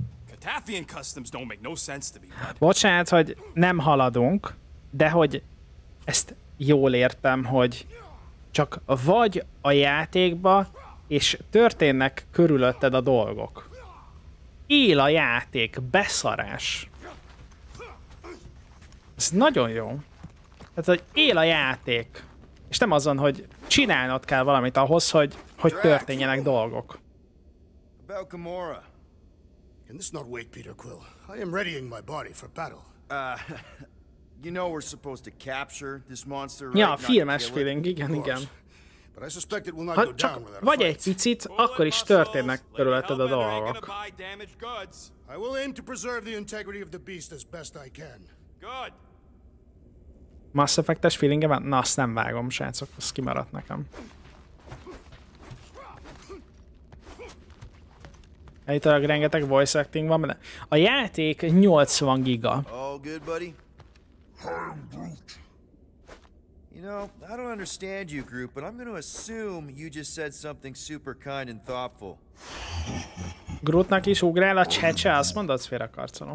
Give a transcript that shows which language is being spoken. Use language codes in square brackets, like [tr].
[en] Katathian customs don't make no sense to me. [hu] Bocsánat, hogy nem haladunk, de hogy ezt jól értem, hogy csak vagy a játékba, és történnek körülötted a dolgok. Él a játék, beszarás. Ez nagyon jó. Tehát, hogy él a játék. És nem azon, hogy csinálnod kell valamit ahhoz, hogy, hogy történjenek dolgok. Belkamora. [en] Can this not wait, Peter Quill? I am readying my body for battle. You know we're supposed to capture this monster, [hu] right? Ja, filmes feeling, igen, igen. [en] But I suspect it will not go down without a fight. [hu] Vagy egy picit, akkor is történnek körülötted a dolgok. [en] I will aim to preserve the integrity of the beast as best I can. Good. [hu] Mass Effect-es feelinge van? Na, azt nem vágom, srácok, az kimaradt nekem. Egyébként rengeteg voice acting van benne. A játék 80 giga. [en] All good, buddy. I'm Groot. You know, I don't understand you, Groot, but I'm going to assume you just said something super kind and thoughtful. [hu] Grootnak is ugrál a csecse, azt mondod, félre karcolom.